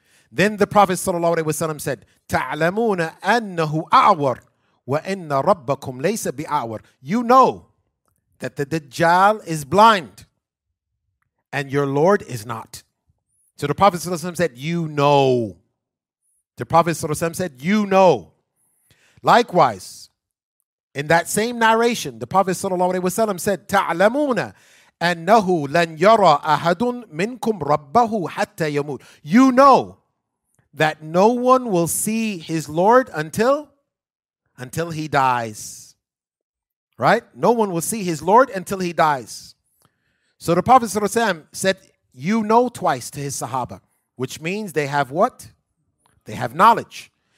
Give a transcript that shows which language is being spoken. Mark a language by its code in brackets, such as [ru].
[en] Then the Prophet sallallahu alaihi wasallam said, [ar] ta'lamuna annahu a'war وَإِنَّ رَبَّكُمْ لَيْسَ بِأَعْوَرٍ. [en] You know that the Dajjal is blind and your Lord is not. So the Prophet ﷺ said, you know. The Prophet ﷺ said, you know. Likewise, in that same narration, the Prophet ﷺ said, [ar] تَعْلَمُونَ أَنَّهُ لَنْ يَرَى أَحَدٌ مِنْكُمْ رَبَّهُ حَتَّى يَمُوتُ. [en] You know that no one will see his Lord until he dies. Right? No one will see his Lord until he dies. So the Prophet ﷺ said, you know, twice to his Sahaba, which means they have what? They have knowledge.